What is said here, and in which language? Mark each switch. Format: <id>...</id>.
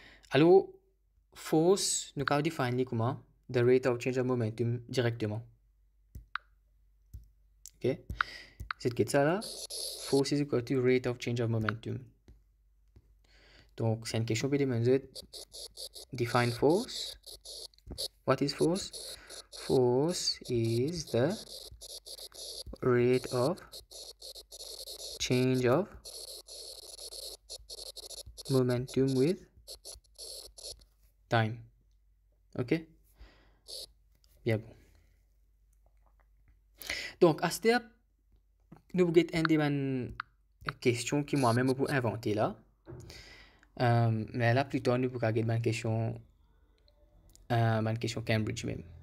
<fr>Alors, force, nous allons définir comment,</fr> <en>the rate of change of momentum</en> <fr>directement. Ok, c'est que ça là,</fr> <en>force is equal to rate of change of momentum.</en> <fr>Donc, c'est une question qui demande</fr> <en>define force. What is force? Force is the rate of change of momentum with time.</en> <fr>Ok, bien bon. Donc, à ce stade, nous avons une question qui moi-même pour inventer là. Mais là, plutôt, nous avons une question Cambridge même.</fr>